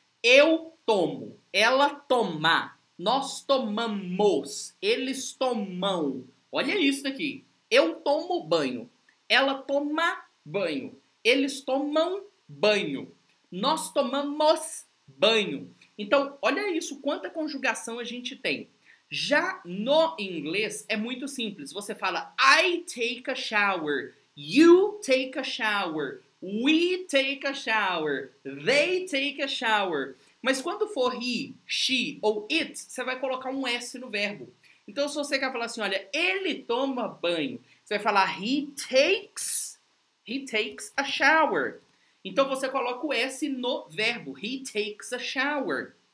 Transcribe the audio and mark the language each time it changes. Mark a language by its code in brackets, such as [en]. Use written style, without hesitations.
[pt] Eu tomo, ela toma, nós tomamos, eles tomam. Olha isso aqui. Eu tomo banho, ela toma banho, eles tomam banho, nós tomamos banho. Então, olha isso, quanta conjugação a gente tem. Já no inglês, é muito simples. Você fala, [en] I take a shower, you take a shower, we take a shower, they take a shower. [pt] Mas quando for he, she ou it, você vai colocar um S no verbo. Então, se você quer falar assim, olha, ele toma banho, você vai falar, [en] he takes a shower. [pt] Então, você coloca o S no verbo, [en] he takes a shower.